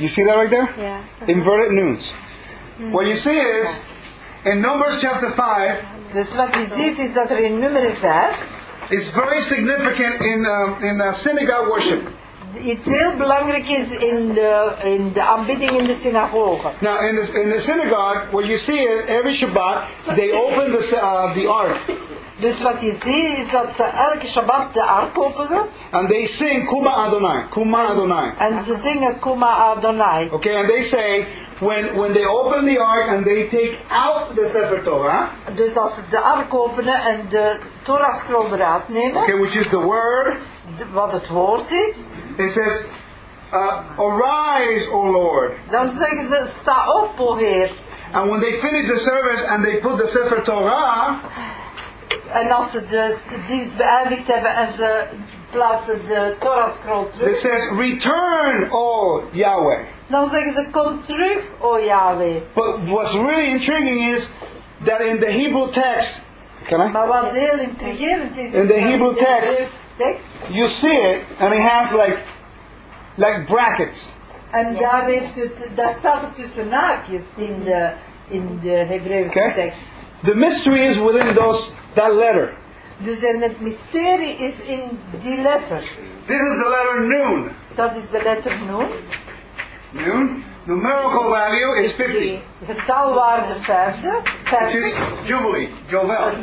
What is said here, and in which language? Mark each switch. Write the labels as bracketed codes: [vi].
[en] you see that right there? Yeah. Inverted nouns. Mm-hmm. What you see is, in Numbers chapter 5, [nl] dus wat je ziet is dat er in nummer 5, [en] it's very significant in synagogue worship. [nl] Iets heel belangrijk is in de aanbidding in de synagoge. [en] Now in the synagogue, what you see is every Shabbat they open the ark. [nl] Dus wat je ziet is dat ze elke Shabbat de ark openen. [en] And they sing Kuma Adonai, Kuma Adonai. [nl] En ze zingen Kuma Adonai. [en] Okay, and they say when they open the ark and they take out the Sefer Torah. [nl] Dus als ze de ark openen en de Torah scroll eruit nemen. [en] Okay, which is the word. [nl] Wat het woord is. [en] It says, arise, O Lord. [nl] Dan zeggen ze, sta op, O Heer. [en] And when they finish the service and they put the Sefer Torah. [nl] En als ze dus dienst beëindigd hebben en ze plaatsen de Torah scroll terug. [en] It says, return, O Yahweh. [nl] Dan zeggen ze, kom terug, O Yahweh. [en] But what's really intriguing is that in the Hebrew text. Can I? [nl] Maar wat heel intrigerend is. [en] In the Hebrew text. You see it, and it has like brackets. [nl] And daar heeft het, daar staat het tussen haakjes in de Hebreeuwse okay. [en] Text. The mystery is within that letter. [nl] Dus en het mysterie is in die letter. [en] This is the letter Nun. [nl] Dat is de letter Nun. [en] Nun. Numerical value is 50. [nl] Getalwaarde 50. [en] Which is Jubilee, Jovel.